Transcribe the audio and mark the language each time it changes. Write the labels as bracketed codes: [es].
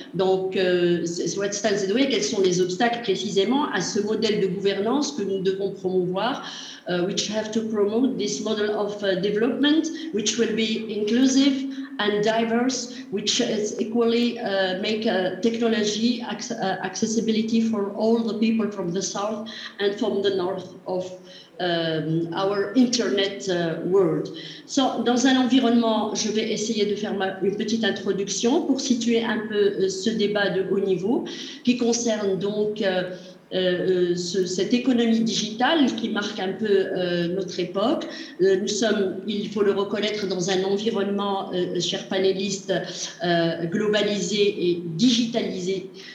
[en] Donc, what stands in the way? [fr] Quels sont les obstacles précisément à ce modèle de gouvernance que nous devons promouvoir? [en] Which have to promote this model of development, which will be inclusive and diverse, which is equally make technology accessibility for all the people from the south and from the north of our internet world. [fr] So, dans un environnement, je vais essayer de faire une petite introduction pour situer un peu ce débat de haut niveau qui concerne donc cette économie digitale qui marque un peu notre époque. Nous sommes, il faut le reconnaître, dans un environnement, chers panélistes, globalisé et digitalisé.